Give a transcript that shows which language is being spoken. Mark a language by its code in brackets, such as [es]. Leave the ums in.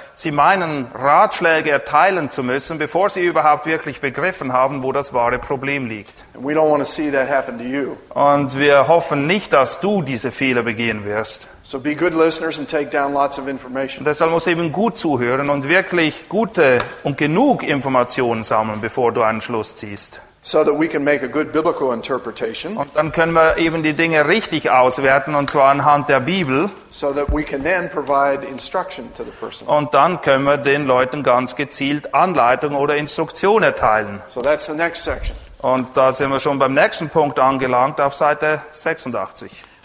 [de] Sie meinen, Ratschläge erteilen zu müssen, bevor sie überhaupt wirklich begriffen haben, wo das wahre Problem liegt. Und wir hoffen nicht, dass du diese Fehler begehen wirst. [en] So be good [de] Deshalb muss eben gut zuhören und wirklich gute und genug Informationen sammeln, bevor du einen Schluss ziehst [en] so that we can make a good biblical interpretation. [de] Und dann können wir eben die Dinge richtig auswerten und zwar anhand der Bibel. So und dann können wir den Leuten ganz gezielt Anleitung oder Instruktion erteilen. So und da sind wir schon beim nächsten Punkt angelangt auf Seite 86.